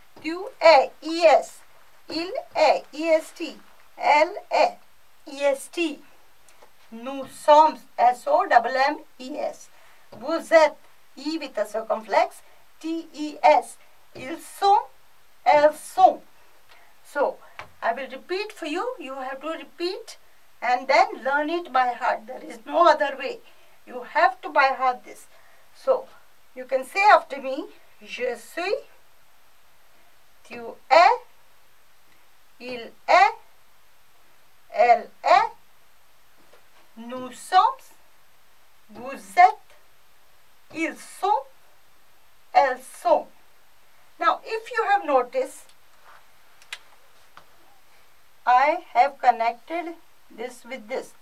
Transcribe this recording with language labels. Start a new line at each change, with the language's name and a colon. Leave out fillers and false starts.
French: Tu es, E-S, il est, E-S-T, elle est, E-S-T, nous sommes, S-O-M-M-E-S, vous êtes,
English: E with a circumflex,
French: T-E-S, ils sont, elles sont.
English: So, I will repeat for you, you have to repeat and then learn it by heart. There is no other way. You have to by heart this. So, you can say after me,
French: je suis. Tu es, il est, elle est, nous sommes, vous êtes, ils sont, elles sont.
English: Now, if you have noticed, I have connected this with this.